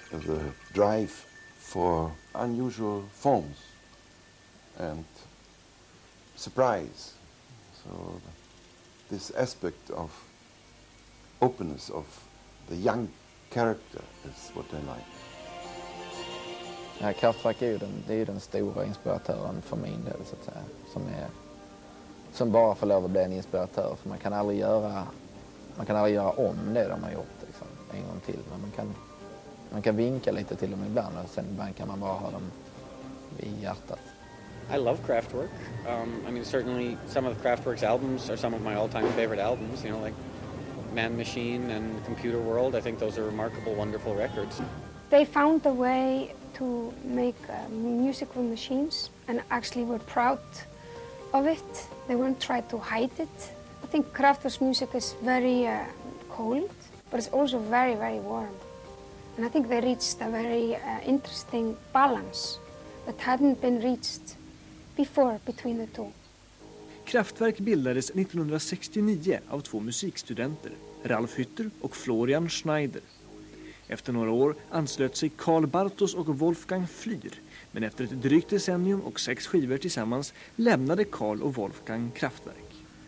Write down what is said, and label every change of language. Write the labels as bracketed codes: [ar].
[en] The drive for unusual forms and surprise. So this aspect of openness of the young character is what I like. [sv] Ja, Kraftwerk är ju den stora inspiratören för min del, så att säga, som bara får lov att bli en inspiratör, för man kan aldrig göra om det de har gjort liksom, en gång till, men man kan vinka lite till dem ibland, och sen kan man bara ha dem i hjärtat. [en] I love Kraftwerk. I mean, certainly some of Kraftwerk's albums are some of my all-time favorite albums, you know, like Man Machine and Computer World. I think those are remarkable, wonderful records. They found the way to make music with machines, and actually were proud of it. They won't try to hide it. I think Kraftwerk's music is very cold, but it's also very, very warm. And I think they reached a very interesting balance that hadn't been reached before between the two. [sv] Kraftwerk bildades 1969 av två musikstudenter, Ralf Hütter och Florian Schneider. Efter några år anslöt sig Karl, Bartos och Wolfgang Flür, men efter ett drygt decennium och sex skivor tillsammans lämnade Karl och Wolfgang Kraftwerk.